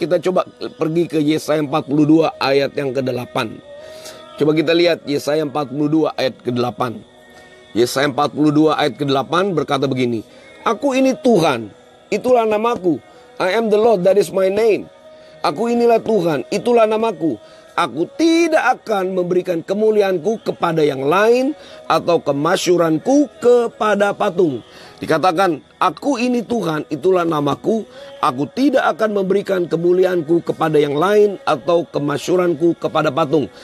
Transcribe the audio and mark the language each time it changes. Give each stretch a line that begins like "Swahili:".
Indonesian: Kita coba pergi ke Yesaya 42 ayat yang ke-8. Coba kita lihat Yesaya 42 ayat ke-8. Yesaya 42 ayat ke-8 berkata begini, aku ini Tuhan, itulah namaku.
English: I am the Lord, that is my name.
Indonesian: Aku inilah Tuhan, itulah namaku. Aku tidak akan memberikan kemuliaanku kepada yang lain atau kemasyuranku kepada patung. Dikatakan, aku ini Tuhan, itulah namaku. Aku tidak akan memberikan kemuliaanku kepada yang lain atau kemasyuranku kepada patung.